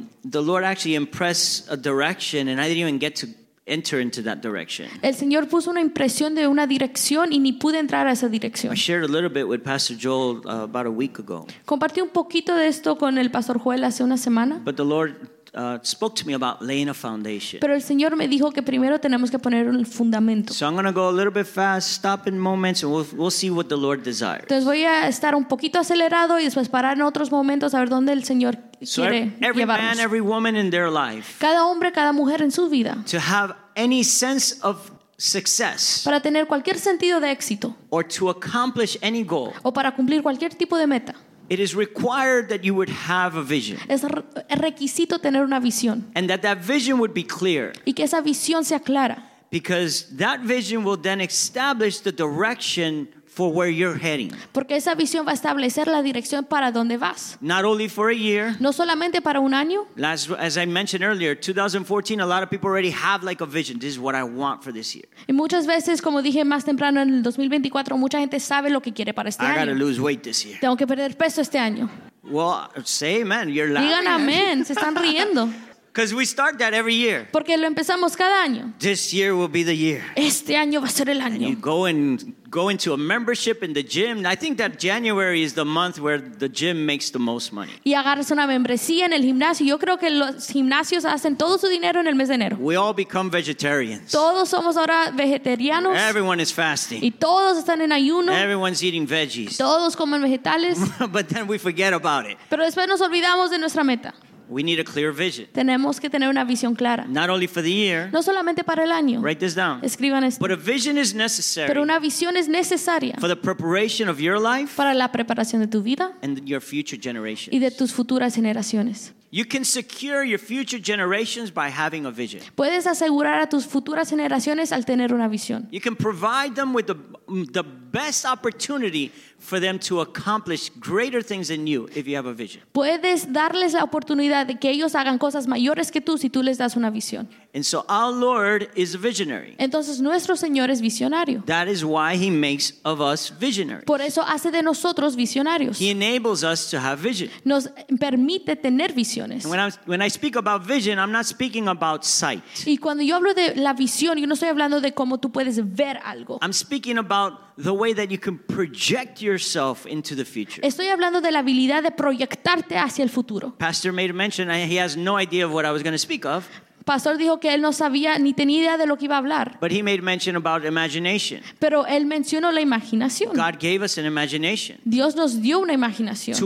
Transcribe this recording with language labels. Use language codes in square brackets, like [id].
[en] The Lord actually impressed a direction, and I didn't even get to enter into that direction. [es] El Señor puso una impresión de una dirección y ni pude entrar a esa dirección. [en] I shared a little bit with Pastor Joel about a week ago. [es] Compartí un poquito de esto con el Pastor Joel hace una semana. [en] But the Lord spoke to me about laying a foundation. [es] Pero el Señor me dijo que primero tenemos que poner un fundamento. [en] So I'm going to go a little bit fast, stop in moments, and we'll see what the Lord desires. [es] Entonces voy a estar un poquito acelerado y después parar en otros momentos a ver dónde el Señor quiere llevarnos. [en] Every man, every woman in their life. [es] Cada hombre, cada mujer en su vida. [en] To have any sense of success. [es] Para tener cualquier sentido de éxito. [en] Or to accomplish any goal. [es] O para cumplir cualquier tipo de meta. [en] It is required that you would have a vision. [es] Es requisito tener una visión. [en] And that vision would be clear. [es] Y que esa visión sea clara. [en] Because that vision will then establish the direction for where you're heading. [es] Porque esa visión va a establecer la dirección para donde vas. [en] Not only for a year. [es] No solamente para un año. [en] As I mentioned earlier, 2014, a lot of people already have like a vision. This is what I want for this year. [es] Y muchas veces, como dije más temprano en el 2024, mucha gente sabe lo que quiere para este año. [en] I gotta lose weight this year. [es] Tengo que perder peso este año. [en] Well, say amen. You're laughing. [es] Digan amén. Se están riendo. [en] Because we start that every year. [es] Porque lo empezamos cada año. [en] This year will be the year. [es] Este año va a ser el año. [en] And you go into a membership in the gym. I think that January is the month where the gym makes the most money. [es] Y agarras una membresía en el gimnasio. Yo creo que los gimnasios hacen todo su dinero en el mes de enero. [en] We all become vegetarians. [es] Todos somos ahora vegetarianos. [en] Everyone is fasting. [es] Y todos están en ayuno. [en] Everyone's eating veggies. [es] Todos comen vegetales. [en] But then we forget about it. [es] Pero después nos olvidamos de nuestra meta. [en] We need a clear vision. [es] Tenemos que tener una visión clara. [en] Not only for the year. [es] No solamente para el año. [en] Write this down. [es] Escriban esto. [en] But a vision is necessary. [es] Pero una visión es necesaria. [en] For the preparation of your life. [es] Para la preparación de tu vida. [en] And your future generations. [es] Y de tus futuras generaciones. [en] You can secure your future generations by having a vision. [es] Puedes asegurar a tus futuras generaciones al tener una visión. [en] You can provide them with the best opportunity for them to accomplish greater things than you if you have a vision. [es] Puedes darles la oportunidad de que ellos hagan cosas mayores que tú si tú les das una visión. [en] And so our Lord is a visionary. [es] Entonces nuestro Señor es visionario. [en] That is why he makes of us visionaries. [es] Por eso hace de nosotros visionarios. [en] He enables us to have vision. [es] Nos permite tener visiones. [en] And when I speak about vision, I'm not speaking about sight. [es] Y cuando yo hablo de la visión, yo no estoy hablando de cómo tú puedes ver algo. [en] I'm speaking about the way that you can project yourself into the future. [es] Estoy hablando de la habilidad de proyectarte hacia el futuro. [en] Pastor made a mention, he has no idea of what I was going to speak of. [es] Pastor dijo que él no sabía ni tenía idea de lo que iba a hablar. [en] But he made mention about imagination. [es] Pero él mencionó la imaginación. [en] God gave us an imagination. [es] Dios nos dio una imaginación.